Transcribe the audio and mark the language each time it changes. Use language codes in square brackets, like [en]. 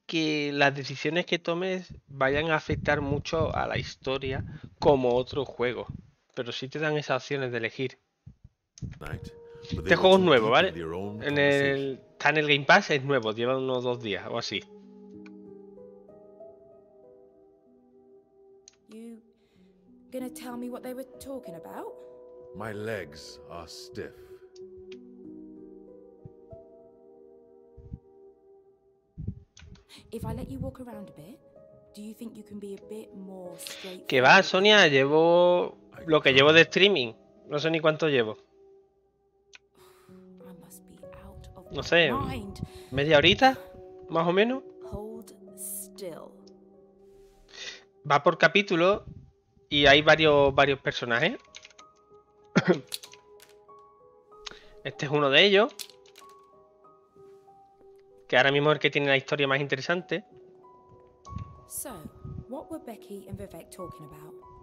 [es] que las decisiones que tomes vayan a afectar mucho a la historia como otro juego, pero sí te dan esas opciones de elegir. Este juego es nuevo, ¿vale? Está en el Game Pass, es nuevo, lleva unos dos días o así. [en] Gonna tell me what they were talking about? My legs are stiff. If I let you walk around a bit, do you think you can be a bit more straight? [es] Que va, Sonia, llevo lo que llevo de streaming. No sé ni cuánto llevo. [en] I must be out of [es] no sé, [en] mind. [es] Media horita, más o menos. [en] Hold still. [es] Va por capítulo. Y hay varios personajes. Este es uno de ellos. Que ahora mismo es el que tiene la historia más interesante. [en] So, what were Becky and Vivek talking about?